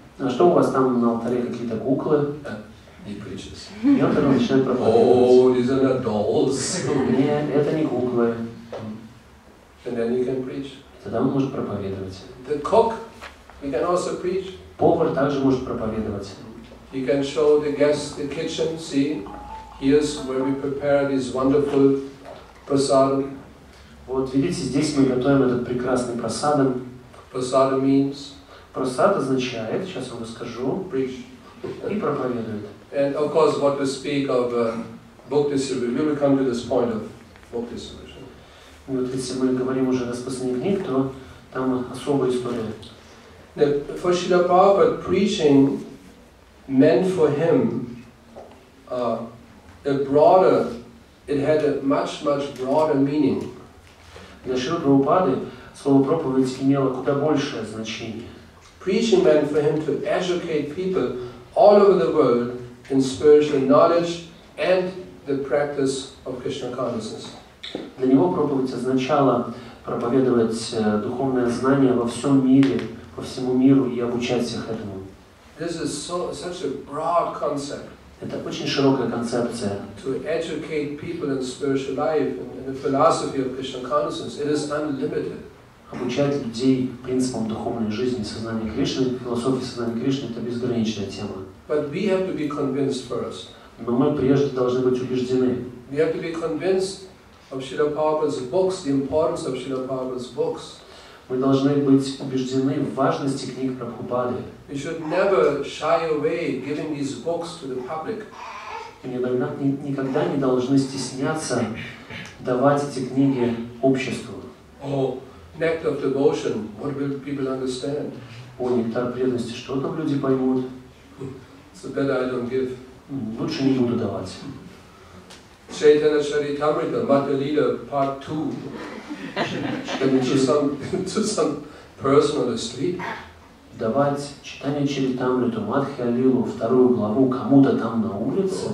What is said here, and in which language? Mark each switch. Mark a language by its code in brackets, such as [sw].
[ru] А что у вас там на алтаре какие-то куклы? [en] He preaches. [ru] И он там начинает проповедовать. [en] Oh, these are dolls. [ru] Нет, это не куклы. [en] And then he can preach. [ru] Тогда он может проповедовать. [en] The cook he can also preach. [ru] Повар также может проповедовать. [en] He can show the guests the kitchen. See. Here's where we prepare this wonderful prasadam. [ru] Вот видите, здесь мы готовим этот прекрасный прасадам. [en] Prasadam means. [ru] Прасад означает, сейчас вам расскажу. [en] Preach. [ru] И проповедует. [en] And of course, what we speak of book distribution, we will come to this point of book distribution. [ru] И вот если мы говорим уже о распространении книг, то там особая история. [en] The for Srila Prabhupada preaching meant for him. A broader, it had a much, much broader meaning. [ru] Для Шрилы Прабхупады слово проповедь имело куда большее значение. [en] Preaching meant for him to educate people all over the world in spiritual knowledge and the practice of Krishna consciousness. [ru] Для него проповедь означала проповедовать духовное знание во всем мире, по всему миру и обучать всех этому. [en] This is such a broad concept. [ru] Это очень широкая концепция. [en] To educate people in spiritual life and the philosophy of Krishna consciousness, it is unlimited. [ru] Обучать людей принципам духовной жизни, сознания Кришны, философии сознания Кришны — это безграничная тема. [en] But we have to be convinced first. [ru] Но мы прежде должны быть убеждены. [en] We have to be convinced of Srila Prabhupada's books, the importance of Srila Prabhupada's books. [ru] Мы должны быть убеждены в важности книг Прабхупады. [en] We should never shy away giving these books to the public. [ru] Мы никогда не должны стесняться давать эти книги обществу. [en] Oh, nectar of devotion, what will people understand? [ru] О, нектар преданности, что там люди поймут? [en] So better I don't give. [ru] Лучше не буду давать. [en] Chaitanya Charitamrita, Mata Lila, part 2. to some person on the street. [ru] Давать читание Чаритамриту, Матхи Алилу, вторую главу кому-то там на улице.